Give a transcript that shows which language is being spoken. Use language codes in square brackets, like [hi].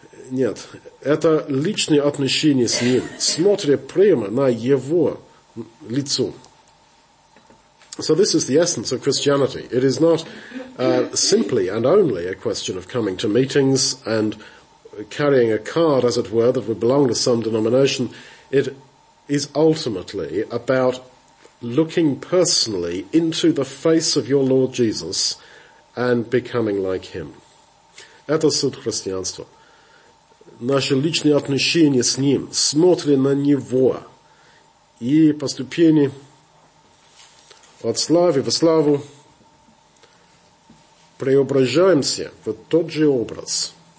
[ru] Нет. Это личные отношения с Ним. Смотря прямо на Его лицо. [en] So this is the essence of Christianity. It is not simply and only a question of coming to meetings and carrying a card, as it were, that would belong to some denomination. It is ultimately about looking personally into the face of your Lord Jesus and becoming like him. [ru] Это суть христианства. Наши личные отношения с ним, смотрим на него и поступение от славы в славу преображаемся в тот же образ.